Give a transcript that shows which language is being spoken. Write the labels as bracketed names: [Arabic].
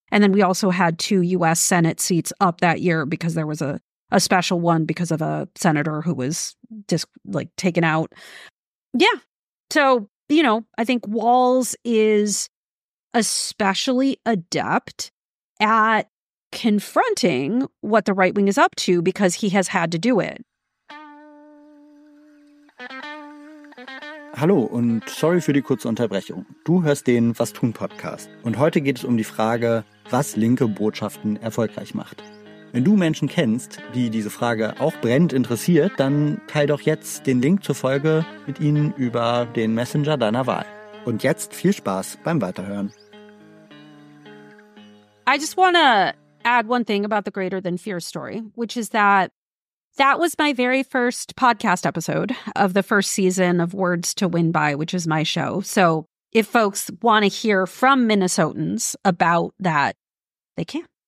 [English] And then we also had two U.S. Senate seats up that year because there was a special one because of a senator who was taken out. Yeah. So, you know, I think Walz is especially adept at confronting what the right wing is up to because he has had to do it. [German] Hallo und sorry für die kurze Unterbrechung. Du hörst den Was tun Podcast und heute geht es um die Frage, was linke Botschaften erfolgreich macht. Wenn du Menschen kennst, die diese Frage auch brennend interessiert, dann teil doch jetzt den Link zur Folge mit ihnen über den Messenger deiner Wahl. Und jetzt viel Spaß beim Weiterhören. [English] I just want to add one thing about the Greater Than Fear story, which is that was my very first podcast episode of the first season of Words to Win By, which is my show. So if folks want to hear from Minnesotans about that, they can.